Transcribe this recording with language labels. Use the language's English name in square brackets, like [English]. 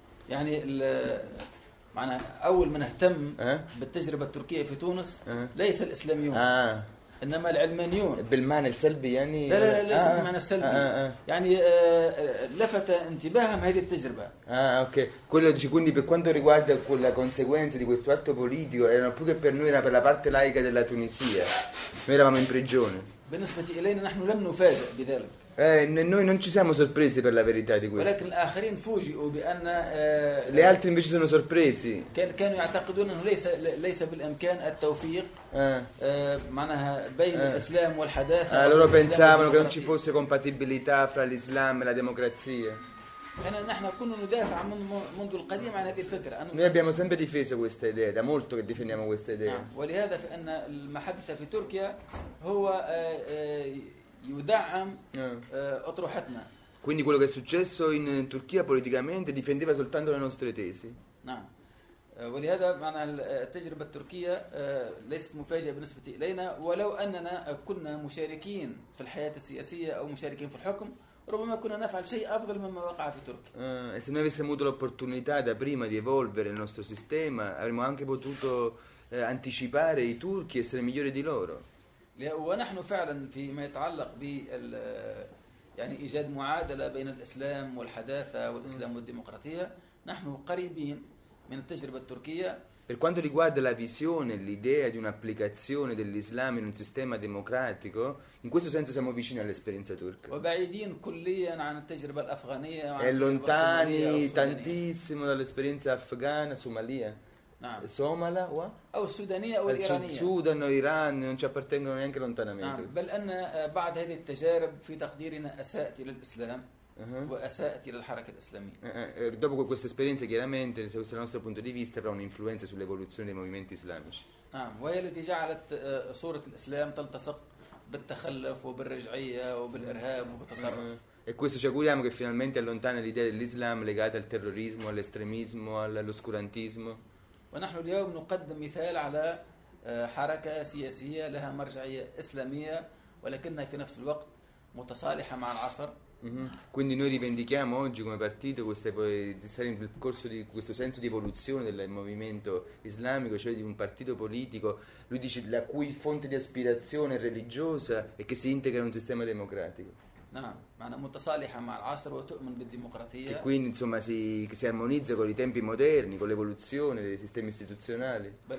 [Arabic] يعني معنى اول من اهتم بالتجربه التركيه في تونس ليس الاسلاميون. انما العلمانيون بالمعنى السلبي يعني لا لا لا ليس بالمعنى السلبي يعني لفت انتباههم هذه التجربه [Italian] اوكي quello dice quindi per quanto riguarda quella conseguenza di questo atto politico erano più che per noi era per la parte laica della Tunisia noi eravamo in prigione [Arabic] بالنسبه الينا نحن لم نفاجئ بذلك [Italian] noi non ci siamo sorpresi per la verità di questo [Arabic] ولكن الاخرين فوجئوا بان [Italian] le altre invece sono sorpresi [Arabic] كانوا يعتقدون انه ليس بالامكان التوفيق معناها بين الاسلام والحداثه [Italian] loro pensavano che non ci fosse compatibilità fra l'islam e la democrazia [Arabic] نحن كنا ندافع منذ القديم عن هذه الفكره [Italian] noi abbiamo sempre difeso questa idea da molto che difendiamo questa idea [Arabic] ولهذا فان المحدث في تركيا هو يدعم اطروحتنا [Italian] quindi quello che è successo in Turchia politicamente difendeva soltanto le nostre tesi [Arabic] نعم ولهذا معنى التجربة التركية ليست مفاجأة بالنسبة إلينا ولو أننا كنا مشاركين في الحياة السياسية أو مشاركين في الحكم ربما كنا نفعل شيء أفضل مما وقع في تركيا. [Italian] Se noi avessimo avuto l'opportunità da prima di evolvere il nostro sistema, avremmo anche potuto anticipare i turchi e essere migliori di loro. [Arabic] ونحن فعلا فيما يتعلق بال يعني إيجاد معادلة بين الإسلام والحداثة والإسلام والديمقراطية نحن قريبين من التجربة التركية. [Italian] Per quanto riguarda la visione, l'idea di un'applicazione dell'Islam in un sistema democratico, in questo senso siamo vicini all'esperienza turca. E lontani tantissimo dall'esperienza afghana, somalia, somala, il Sudan o Iran non ci appartengono neanche lontanamente. [Arabic] بل أن بعد هذه التجارب في تقديرنا أساءت إلى الإسلام. وأساءت إلى الحركة الإسلامية. [Italian] Dopo questa esperienza chiaramente, dal nostro punto di vista, avrà un'influenza sull'evoluzione dei movimenti islamici. [Arabic] نعم، وهي التي جعلت صورة الإسلام تلتصق بالتخلف وبالرجعية وبالإرهاب وبالتطرف. [Italian] E questo ci auguriamo che finalmente allontani l'idea dell'Islam legata al terrorismo, all'estremismo, all'oscurantismo. [Arabic] ونحن اليوم نقدم مثال على حركة سياسية لها مرجعية إسلامية ولكنها في نفس الوقت متصالحة مع العصر. [Italian] Quindi noi rivendichiamo oggi come partito di stare nel corso di questo senso di evoluzione del movimento islamico, cioè di un partito politico, lui dice, la cui fonte di aspirazione è religiosa e che si integra in un sistema democratico. Che quindi insomma si armonizza con i tempi moderni, con l'evoluzione dei sistemi istituzionali.